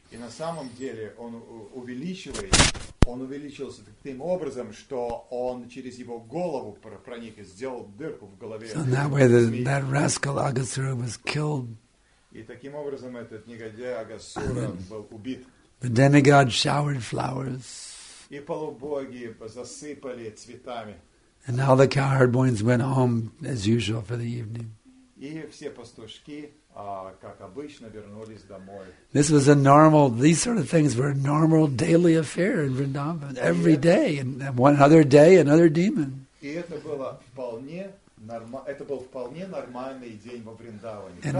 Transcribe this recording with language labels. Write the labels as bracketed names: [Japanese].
[Russian] И на самом деле он увеличился. Он увеличился таким образом, что он через его голову проник и сделал дырку в голове. [English] So that way that rascal Agasura was killed. [Russian] И таким образом этот негодяй Агасура был убит. [English] The demigod showered flowers. [Russian] И полубоги засыпали цветами. [English] And all the cowherd boys went home as usual for the evening. [Russian] И все пастушки как обычно, вернулись домой. [English] This was a normal, these sort of things were a normal daily affair in Vrindavan, every day, and one other day, another demon. [Russian] И это было вполне нормально, это был вполне нормальный день во Вриндаване.